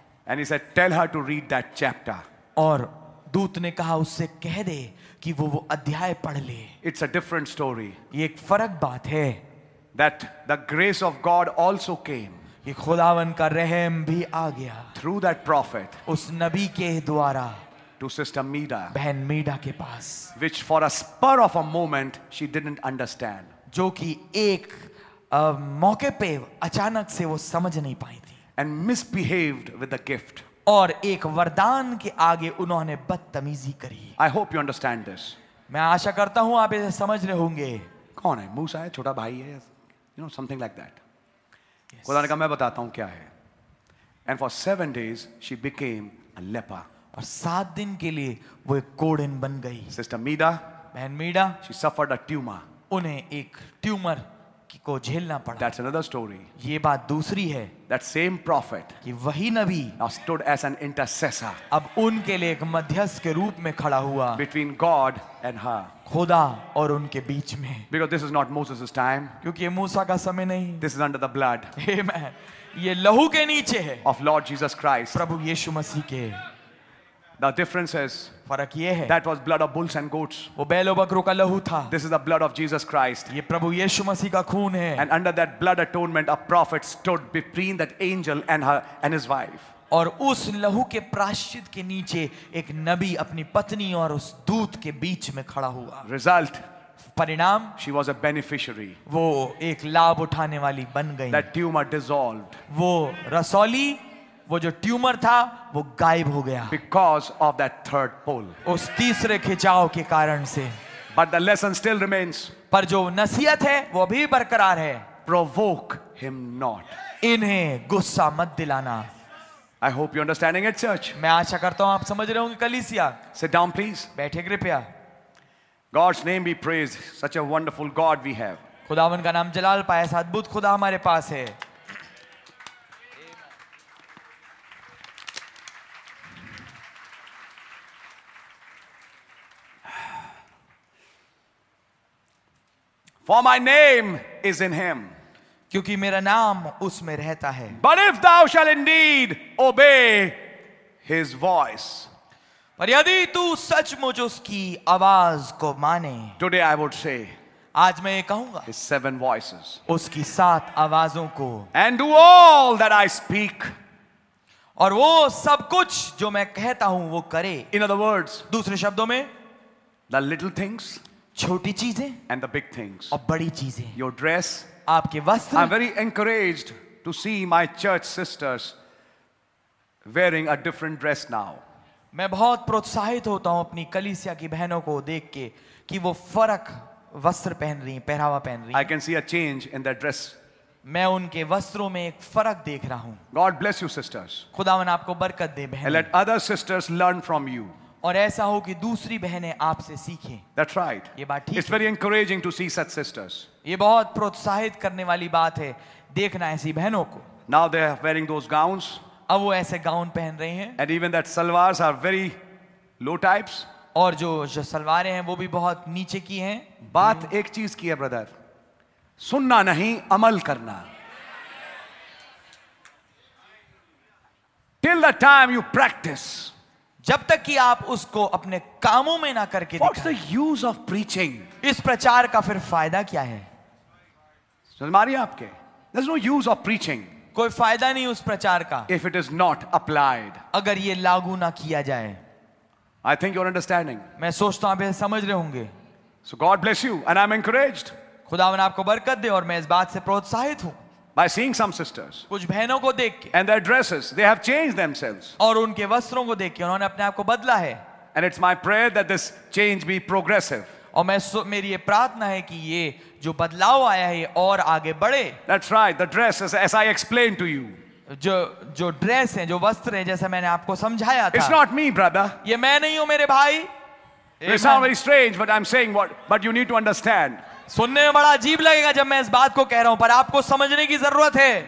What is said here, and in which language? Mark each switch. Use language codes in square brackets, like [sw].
[en] And he said, tell her to read that chapter. [hi] और दूत ने कहा उससे कह दे कि वो अध्याय पढ़ ले. [en] It's a different story. [hi] ये एक फर्क बात है. [en] That the grace of God also came. [hi] खुदावन का रहम भी आ गया. [en] through that prophet, [hi] उस नबी के द्वारा. [en] to sister Meera, [hi] बहन मीरा के पास. [en] which for a spur of a moment she didn't understand, [hi] जो कि एक मौके पे अचानक से वो समझ नहीं पाई थी. [en] and misbehaved with the gift, [hi] और एक वरदान के आगे उन्होंने बदतमीजी करी. [en] I hope you understand this. [hi] मैं आशा करता हूं आप इसे समझ रहे होंगे. कौन है? मूसा है, छोटा भाई है, [en] you know, something like that. [hi] खुदा ने कहा मैं बताता हूं क्या है. [en] And for 7 days she became a leper. [hi] और 7 दिन के लिए वो एक कोढ़िन बन गई. [en] Sister Meeda, [hi] बहन मीडा, [en] she suffered a tumor. [hi] उन्हें एक ट्यूमर को झेलना पड़ा. [en] That's another story. [hi] ये बात दूसरी है. [en] That same prophet, [hi] कि वही नबी, [en] now stood as an intercessor. [hi] अब उनके लिए एक मध्यस्थ के रूप में खड़ा हुआ. [en] Between God and her. [hi] खुदा और उनके बीच में. [en] Because this is not Moses's time. [hi] क्योंकि ये मूसा का समय नहीं. [en] This is under the blood. [hi] Amen. ये लहू के नीचे है. [en] Of Lord Jesus Christ. [hi] प्रभु यीशु मसीह के. [en] The difference is, [hi] फरक ये है, [en] that was blood of bulls and goats. [hi] वो बैलों बकरों का लहू था. [en] This is the blood of Jesus Christ. [hi] ये प्रभु यीशु मसीह का खून है. [en] And under that blood atonement, a prophet stood between that angel and her and his wife. [hi] और उस लहू के प्राश्चित के नीचे एक नबी अपनी पत्नी और उस दूत के बीच में खड़ा हुआ. [en] Result, [hi] परिणाम, [en] she was a beneficiary. [hi] वो एक लाभ उठाने वाली बन गई. [en] That tumor dissolved. [hi] वो रसौली, वो जो ट्यूमर था वो गायब हो गया. [en] Because of that third pull. [hi] उस तीसरे खिंचाव के कारण से. [en] But the lesson still remains. [hi] पर जो नसीहत है वो भी बरकरार है. [en] Provoke him not. [hi] इन्हें गुस्सा मत दिलाना. [en] I hope you're understanding it, church. [hi] मैं आशा करता हूं आप समझ रहे होंगे कलीसिया. [en] Sit down, please. [hi] बैठे कृपया. [en] God's name be praised. Such a wonderful God we have. [hi] खुदावन का नाम जलाल पाए. ऐसा अद्भुत खुदा हमारे पास है. [en] For my name is in him. [hi] क्योंकि मेरा नाम उसमें रहता है. [en] But if thou shall indeed obey his voice. [hi] पर यदि तू सचमुच उसकी आवाज को माने. [en] Today I would say. [hi] आज मैं ये कहूंगा. [en] His seven voices. [hi] उसकी सात आवाजों को. [en] And do all that I speak. [hi] और वो सब कुछ जो मैं कहता हूं वो करे. [en] In other words. [hi] दूसरे शब्दों में. [en] The little things. [hi] छोटी चीजें. [en] And the big things. [hi] और बड़ी चीजें. [en] Your dress. [hi] आपके वस्त्र. [en] I'm very encouraged to see my church sisters wearing a different dress now. [hi] मैं बहुत प्रोत्साहित होता हूं अपनी कलीसिया की बहनों को देख के कि वो फरक वस्त्र पहन रही हैं, पहरावा पहन रही [en] हैं. I can see a change in their dress. [hi] मैं उनके वस्त्रों में एक फर्क देख रहा हूं. [en] God bless you sisters. [hi] खुदावन आपको बरकत दे बहनें. [en] And let other sisters learn from you. [hi] और ऐसा हो कि दूसरी बहनें आपसे सीखें. [en] That's right. [hi] ये बात ठीक. [en] It's very encouraging to see such sisters. [hi] ये बहुत प्रोत्साहित करने वाली बात है देखना ऐसी बहनों को. [en] Now they are wearing those gowns. [hi] अब वो ऐसे गाउन पहन रहे हैं. [en] And even that salwars are very low types. [hi] और जो सलवारें हैं वो भी बहुत नीचे की हैं. बात एक चीज की है ब्रदर, सुनना नहीं अमल करना. [en] Till the time you practice. [hi] जब तक कि आप उसको अपने कामों में ना करके. [en] What's the use of preaching? [hi] इस प्रचार का फिर फायदा क्या है? सलमारी आपके. [en] There's no use of preaching. [hi] कोई फायदा नहीं उस प्रचार का. [en] If it is not applied. [hi] अगर ये लागू ना किया जाए. [en] I think you're understanding. [hi] मैं सोचता हूं आप समझ रहे होंगे. [en] So God bless you and I'm encouraged. [hi] खुदावन आपको बरकत दे और मैं इस बात से प्रोत्साहित हूं. [en] By seeing some sisters. [hi] कुछ बहनों को देख के. [en] And their dresses, they have changed themselves. [hi] और उनके वस्त्रों को देख के उन्होंने अपने आप को बदला है. [en] And it's my prayer that this change be progressive. [hi] और मैं मेरी ये प्रार्थना है कि ये जो बदलाव आया है और आगे बढ़े. [en] That's right. The dress is as I explained to you. [hi] जो ड्रेस है, जो वस्त्र है, जैसे मैंने आपको समझाया था. [en] It's not me, brother. [hi] ये मैं नहीं हूं मेरे भाई. [en] It sounds very strange, but I'm saying what. But you need to understand. [hi] सुनने में बड़ा अजीब लगेगा जब मैं इस बात को कह रहा हूं, पर आपको समझने की जरूरत है.